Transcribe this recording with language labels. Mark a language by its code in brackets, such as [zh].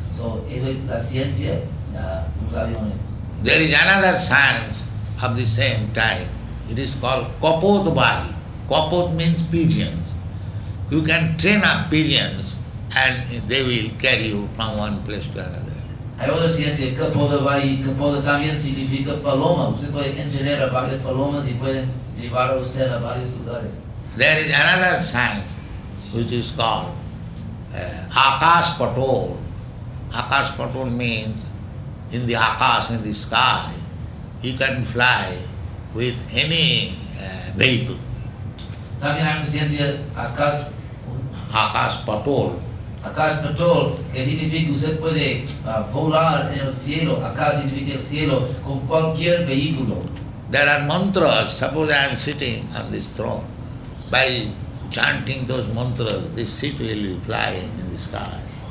[es] So, eso es la ciencia de los aviones. [en] There is another science of the same type. It is called Kapodavahi. Kapod means pigeons. You can train up pigeons and they will carry you from one place to another. [es] Hay otra ciencia, Kapodavahi. Kapoda también significa paloma. Usted puede entrenar a varias palomas y pueden llevar a usted a varios lugares. [en] There is another science which is called Akashpatol. Akashpatol means in the Akash, in the sky, you can fly with any vehicle. [es] También hay una ciencia, Akash... Akashpatol. Akasha Patrol, que significa que usted puede volar en el cielo, acá significa el cielo, con cualquier vehículo. [en] There are mantras. Suppose I am sitting on this throne. By chanting those mantras, this seat will be flying in the sky.